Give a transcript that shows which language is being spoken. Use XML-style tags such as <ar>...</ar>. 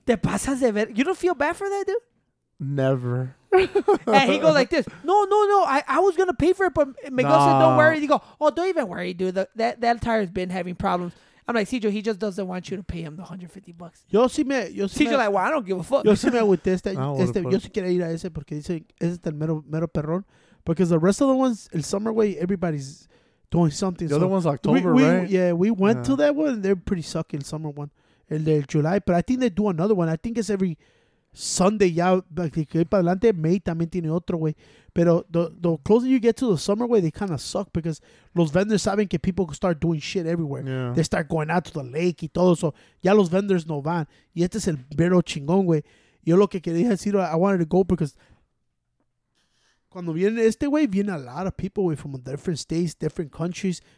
<es>¿Te pasas de ver?</es> <en>You don't feel bad for that, dude? Never. And he goes like this. No. I was going to pay for it, but Miguel said, don't worry. He go, oh, don't even worry, dude. That tire has been having problems. I'm like, Cedro, he just doesn't want you to pay him the $150. Cedro like, well, I don't give a fuck.</en> <es>Yo sí me agüité este. Yo sí quería ir a ese porque dice, ese es el mero, mero perrón.</es> <en>Because the rest of the ones, el summer way, everybody's... doing something. The other one's October, right? Yeah, we went to that one. They're pretty sucky, the summer one.</en> <es>El del</es> <en>July. But I think they do another one. I think it's every Sunday.</en> <es>Ya, like, que para adelante, May también tiene otro, güey. Pero</es> <en>the closer you get to the summer, way, they kind of suck because</en> <es>los vendors saben que</es> <en>people start doing shit everywhere. Yeah. They start going out to the lake</en> <es>y todo. So ya los vendors no van. Y este es el vero chingón, güey. Yo lo que quería decir,</es> <en>I wanted to go because...</en> <es>Cuando viene este güey, viene</es> <en>a lot of people from different states, different countries.</en>